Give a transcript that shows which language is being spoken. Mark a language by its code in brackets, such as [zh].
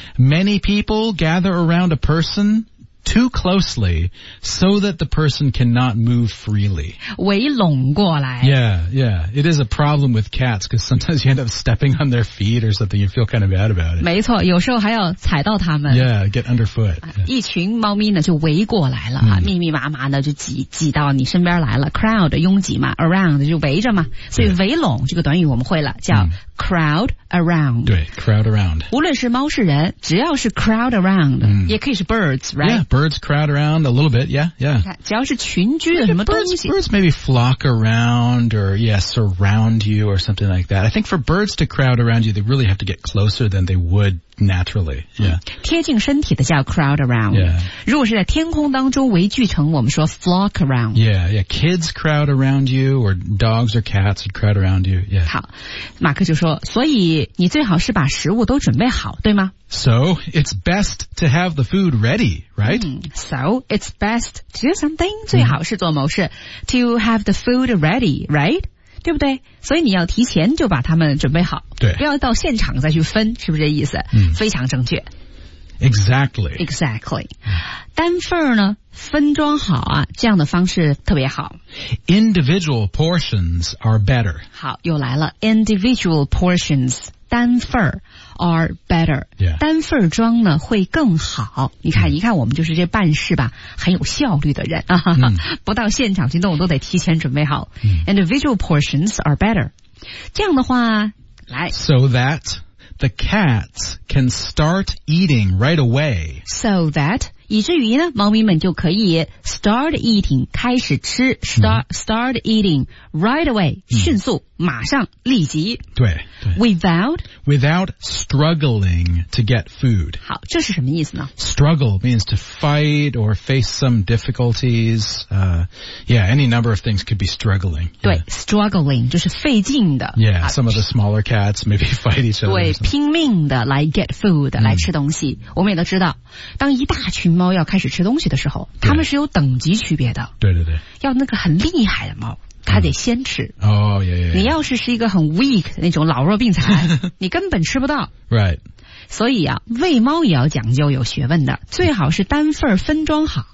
[en] Many people gather around a person too closely so that the person cannot move freely. [zh] 围拢过来。 [en] Yeah, yeah. It is a problem with cats because sometimes you end up stepping on their feet or something. You feel kind of bad about it. [zh] 没错,有时候还要踩到他们。 [en] Yeah, get underfoot.、 [zh] 一群猫咪呢就围过来了、嗯、密密麻麻的就挤到你身边来了。 Crowd, 拥挤嘛 ,around, 就围着嘛。所以围拢这个短语我们会了叫、嗯、crowd around. [en] 对 ,crowd around. [zh] 无论是猫是人只要是 crowd around,、嗯、也可以是 [en] birds, right? Yeah,Birds crowd around a little bit, yeah, yeah. [zh] 只要是群居的什么东西。 [en] Birds maybe flock around or, yeah, surround you or something like that. I think for birds to crowd around you, they really have to get closer than they would naturally, yeah. [zh] 贴近身体的叫 crowd around. [en] Yeah. [zh] 如果是在天空当中围聚成我们说 flock around. [en] Yeah, yeah. Kids crowd around you or dogs or cats would crowd around you, yeah. [zh] 好马克就说所以你最好是把食物都准备好对吗 [en] So, it's best to have the food ready. Right?、 Mm, so, it's best to do something,、mm-hmm. [zh] 最好是做某事 [en] to have the food ready, right? [zh] 对不对所以你要提前就把它们准备好对不要到现场再去分是不是这意思、嗯、非常正确。 [en] Exactly. Exactly. [zh] 单份呢分装好啊这样的方式特别好。 [en] Individual portions are better. [zh] 好又来了 ,individual portions. 单份 are better、 [en] yeah. [zh] 单份装呢会更好你看、嗯、一看我们就是这办事吧很有效率的人、啊嗯、不到现场去弄都得提前准备好、嗯、 [en] individual portions are better [zh] 这样的话来 [en] so that the cats can start eating right away so that [zh] 以至于呢猫咪们就可以 [en] start eating [zh] 开始吃 [en] start eating right away、嗯、 [zh] 迅速马上立即对 [en] without struggling to get food [zh] 好这是什么意思呢 [en] struggle means to fight or face some difficulties any number of things could be struggling [zh] 对、 [en] yeah. [zh] struggling 就是费劲的 [en] yeah some of the smaller cats maybe fight each other [zh] 对拼命的来 [en] get food、 [zh] 嗯、来吃东西我们也都知道当一大群猫要开始吃东西的时候，它们是有等级区别的。对对对，要那个很厉害的猫，它得先吃。哦，也、 [en] yeah, yeah, yeah. [zh] 你要是一个很 weak 那种老弱病残，你根本吃不到。 [en] Right。 [zh] 所以啊，喂猫也要讲究，有学问的，最好是单份分装好，